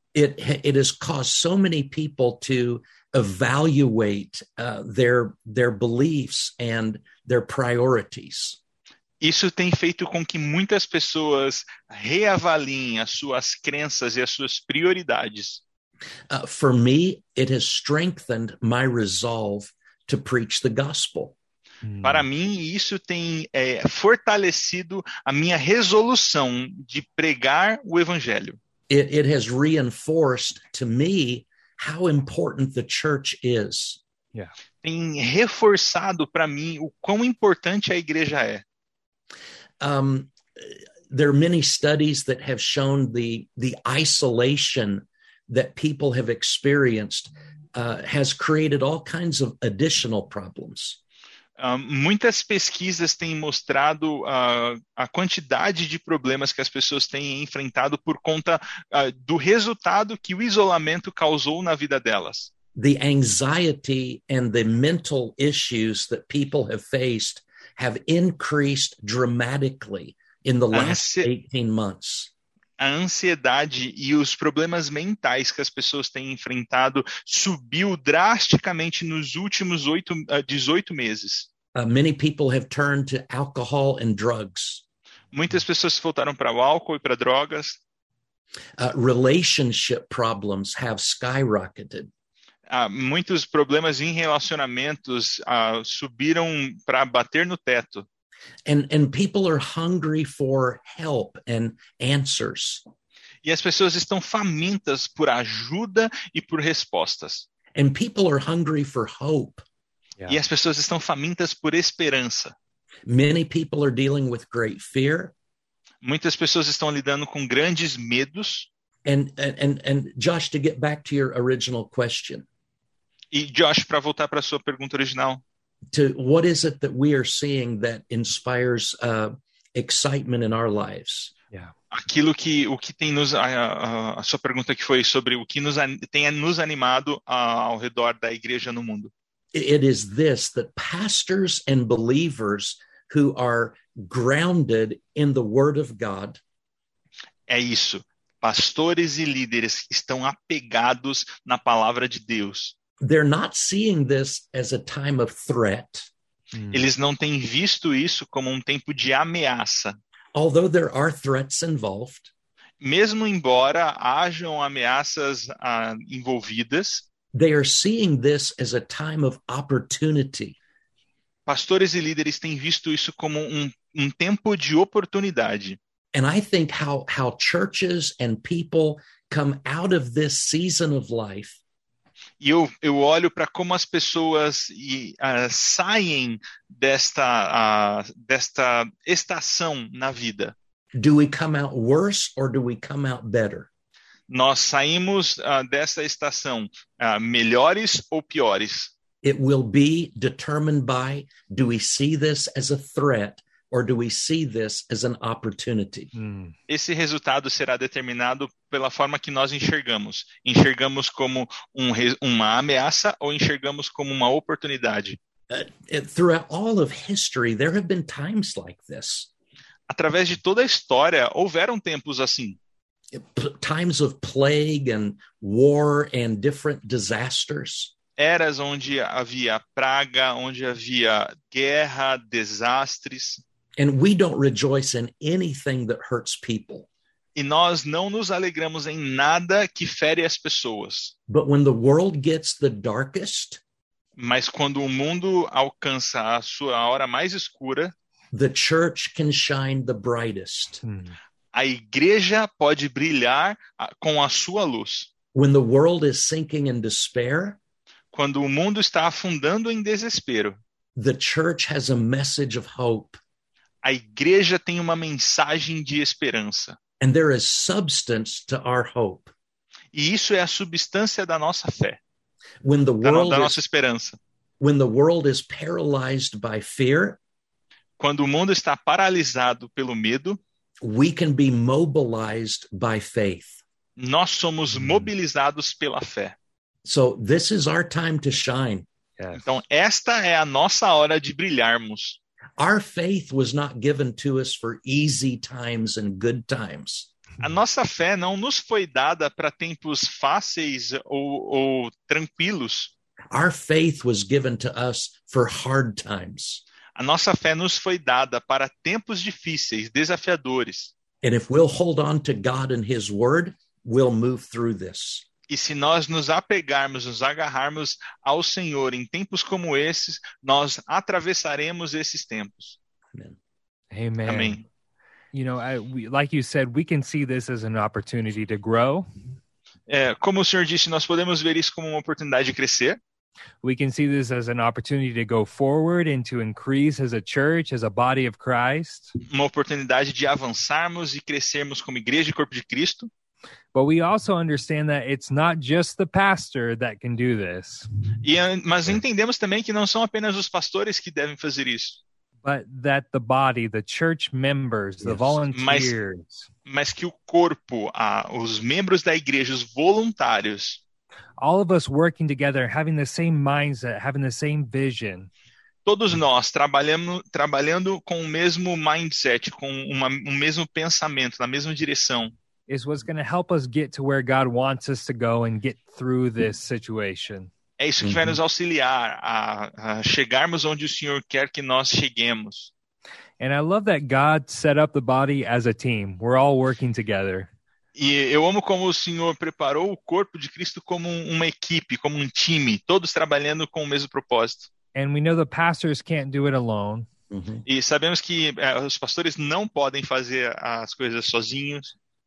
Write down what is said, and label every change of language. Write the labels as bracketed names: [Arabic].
[English] it has caused so many people to evaluate their beliefs and their priorities. [Portuguese] Isso tem feito com que muitas pessoas reavaliem as suas crenças e as suas prioridades. [English] For me, it has strengthened my resolve to preach the gospel. [Portuguese] Para mim, isso tem fortalecido a minha resolução de pregar o evangelho. [English] It has reinforced to me how important the church is. Yeah. [Portuguese] Tem reforçado para mim o quão importante a igreja é. [English] there are many studies that have shown the isolation that people have experienced has created all kinds of additional problems. [Portuguese] Muitas pesquisas têm mostrado a quantidade de problemas que as pessoas têm enfrentado por conta do resultado que o isolamento causou na vida delas. [English] The anxiety and the mental issues that people have faced have increased dramatically in the last 18 months. [Portuguese] A ansiedade e os problemas mentais que as pessoas têm enfrentado subiu drasticamente nos últimos 18 meses. [English] Many people have turned to alcohol and drugs. [Portuguese] Muitas pessoas voltaram para o álcool e para drogas. [English] Relationship problems have skyrocketed. [Portuguese] Muitos problemas em relacionamentos subiram para bater no teto. [English] And people are hungry for help and answers. [Portuguese] E as pessoas estão famintas por ajuda e por respostas. [English] And people are hungry for hope. [Portuguese] Yeah. E as pessoas estão famintas por esperança. [English] Many people are dealing with great fear. [Portuguese] Muitas pessoas estão lidando com grandes medos. [English] And Josh, to get back to your original question. [Portuguese] E Josh, para voltar para a sua pergunta original. [English] To what is it that we are seeing that inspires excitement in our lives? Yeah. [Portuguese] Aquilo que o que tem nos a sua pergunta que foi sobre o que nos tem nos animado ao redor da igreja no mundo. [English] It is this that pastors and believers who are grounded in the Word of God. [Portuguese] É isso. Pastores e líderes estão apegados na palavra de Deus. [English] They're not seeing this as a time of threat. [Portuguese] Eles não têm visto isso como tempo de ameaça. [English] Although there are threats involved. [Portuguese] Mesmo embora hajam ameaças envolvidas. [English] They are seeing this as a time of opportunity. [Portuguese] Pastores e líderes têm visto isso como tempo de oportunidade. [English] And I think how churches and people come out of this season of life. [Portuguese] E eu olho para como as pessoas saem desta estação na vida. [English] Do we come out worse or do we come out better? [Portuguese] Nós saímos desta estação melhores ou piores? [English] It will be determined by do we see this as a threat or do we see this as an opportunity? [Portuguese] Esse resultado será determinado pela forma que nós enxergamos. Enxergamos como uma ameaça ou enxergamos como uma oportunidade? [English] Throughout all of history, there have been times like this. [Portuguese] Através de toda a história, houveram tempos assim. [English] Times of plague and war and different disasters. [Portuguese] Eras onde havia praga, onde havia guerra, desastres. [English] And we don't rejoice in anything that hurts people. [Portuguese] E nós não nos alegramos em nada que fere as pessoas. [English] But when the world gets the darkest, [Portuguese] mas quando o mundo alcança a sua hora mais escura, [English] the church can shine the brightest. [Portuguese] A igreja pode brilhar com a sua luz. [English] When the world is sinking in despair, [Portuguese] quando o mundo está afundando em desespero, [English] the church has a message of hope. [Portuguese] A igreja tem uma mensagem de esperança. [English] And there is substance to our hope. [Portuguese] E isso é a substância da nossa fé. [English] When the world [Portuguese] da nossa esperança. [English] When the world is paralyzed by fear, [Portuguese] quando o mundo está paralisado pelo medo, [English] we can be mobilized by faith. [Portuguese] Nós somos mobilizados pela fé. [English] So this is our time to shine. Yes. [Portuguese] Então esta é a nossa hora de brilharmos. [English] Our faith was not given to us for easy times and good times. [Portuguese] A nossa fé não nos foi dada para tempos fáceis ou tranquilos. [English] Our faith was given to us for hard times. [Portuguese] A nossa fé nos foi dada para tempos difíceis, desafiadores. [English] And if we'll hold on to God and His Word, we'll move through this. [Portuguese] E se nós nos apegarmos, nos agarrarmos ao Senhor em tempos como esses, nós atravessaremos esses tempos. [English] Amen. Amen. You know, like you said, we can see this as an opportunity to grow. [Portuguese] Como o Senhor disse, nós podemos ver isso como uma oportunidade de crescer. [English] We can see this as an opportunity to go forward and to increase as a church, as a body of Christ. [Portuguese] Uma oportunidade de avançarmos e crescermos como igreja e corpo de Cristo. [English] But we also understand that it's not just the pastor that can do this. [Portuguese] Mas entendemos também que não são apenas os pastores que devem fazer isso. [English] But that the body, the church members, the volunteers. [Portuguese] Mas que o corpo, os membros da igreja, os voluntários. [English] All of us working together, having the same mindset, having the same vision. [Portuguese] Todos nós trabalhando com o mesmo mindset, com um mesmo pensamento, na mesma direção. [English] Is what's going to help us get to where God wants us to go and get through this situation. [Portuguese] É isso que vai nos auxiliar a chegarmos onde o Senhor quer que nós cheguemos. [English] And I love that God set up the body as a team. We're all working together. [Portuguese] E eu amo como o Senhor preparou o corpo de Cristo como uma equipe, como um time, todos trabalhando com o mesmo propósito. [English] And we know the pastors can't do it alone. Uh-huh. [Portuguese] E sabemos que os pastores não podem fazer as coisas sozinhos.